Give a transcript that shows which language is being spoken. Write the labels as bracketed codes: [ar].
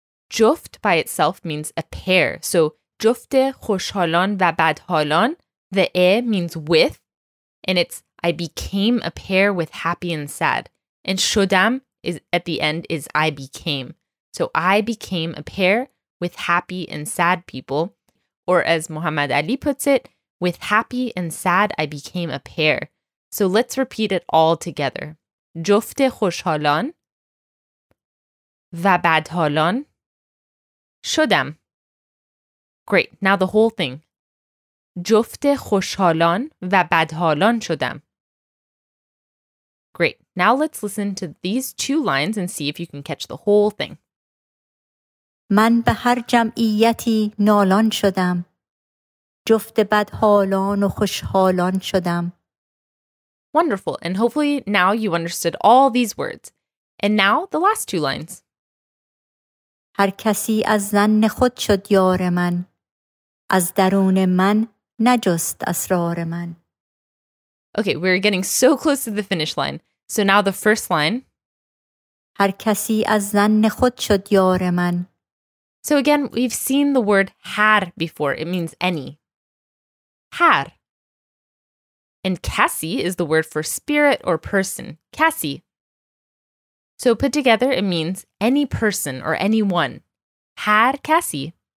[en] Joft by itself means a pair. So jofte khushhalan va badhalan, the e means with, and it's I became a pair with happy and sad. And shodam is at the end is I became. So I became a pair with happy and sad people, or as Muhammad Ali puts it, with happy and sad I became a pair. So let's repeat it all together. [fa] جفته خوشحالان و بدحالان شدم. [en] Great. Now the whole thing. [fa] جفته خوشحالان و بدحالان شدم. [en] Great. Now let's listen to these two lines and see if you can catch the whole thing. [fa] من به هر جمعیتی نالان شدم. جفته بدحالان و خوشحالان شدم. [en] Wonderful, and hopefully now you understood all these words. And now the last two lines. [fa] هر کسی از ذهن خود شد یار من، از درون من نجست اسرار من. [en] Okay, we're getting so close to the finish line. So now the first line. [fa] هر کسی از ذهن خود شد یار من. [en] So again, we've seen the word هر before. It means any. هر. And kasi is the word for spirit or person. Kasi. So put together, it means any person or anyone. Har kasi.